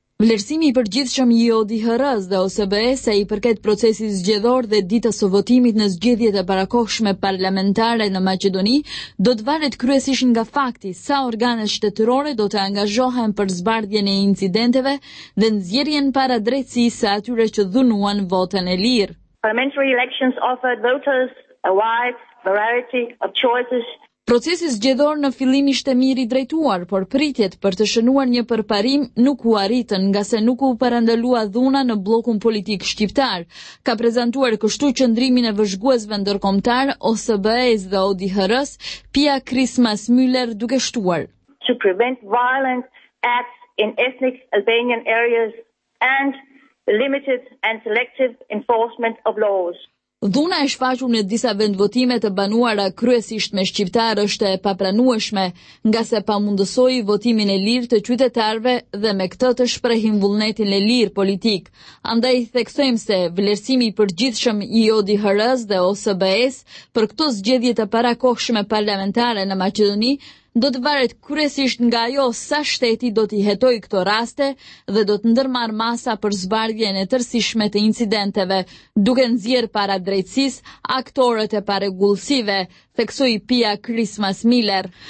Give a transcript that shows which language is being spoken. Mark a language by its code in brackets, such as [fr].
[sq] Vlerësimi i përgjithshëm i ODIHR-s dhe OSBE-s sa i përket procesit zgjedhor dhe ditës së votimit në zgjedhjet e parakohshme parlamentare në Maqedoni do të varet kryesisht nga fakti sa organet shtetërore do të angazhohen për zbardhjen e incidenteve dhe nxjerrjen para drejtësisë së atyre që dhunuan votën e lirë. [en] Parliamentary elections offered voters a wide variety of choices. [sq] Procesi zgjedhor në fillim ishte mirë i drejtuar, por pritjet për të shënuar një përparim nuk u arritën nga se nuk u parandalua dhuna në Bllokun Politik Shqiptar. Ka prezantuar kështu qëndrimin e vëzhguesve ndërkombëtar OSBE-s dhe ODIHR-s Pia Krismas Müller duke shtuar: [en] "To prevent violent acts in ethnic Albanian areas and limited and selective enforcement of laws." [sq] Dhuna e shfaqur në disa vend votime të banuara kryesisht me shqiptarë është e papranueshme, nga se pamundësoi votimin e lirë të qytetarëve dhe me këtë të shprehin vullnetin e lirë politik. Andaj theksojmë se vlerësimi i përgjithshëm i ODIHR-s dhe OSBE-s për këto zgjedhje të parakohshme parlamentare në Maqedoni do të varet kryesisht nga ajo sa shteti do t'i hetoj këto raste dhe do të ndërmarr masa për zbardhjen e tërësishme të incidenteve, duke nxjerr para drejtësisë aktorët e parregullsive, theksoi Pia Krismas Müller.